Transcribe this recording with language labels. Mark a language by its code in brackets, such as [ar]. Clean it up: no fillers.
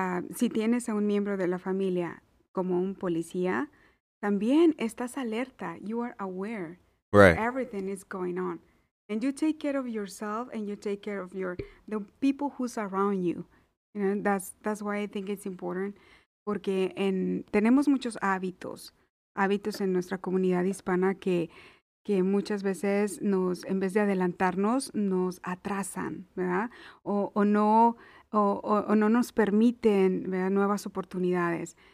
[es] si tienes a un miembro de la familia como un policía, también estás alerta. [en] You are aware. Right. Everything is going on. And you take care of yourself and you take care of the people who's around you. You know, that's why I think it's important. [es] porque en tenemos muchos hábitos en nuestra comunidad hispana que muchas veces nos, en vez de adelantarnos, nos atrasan, ¿verdad? O no nos permiten, ¿verdad?, nuevas oportunidades.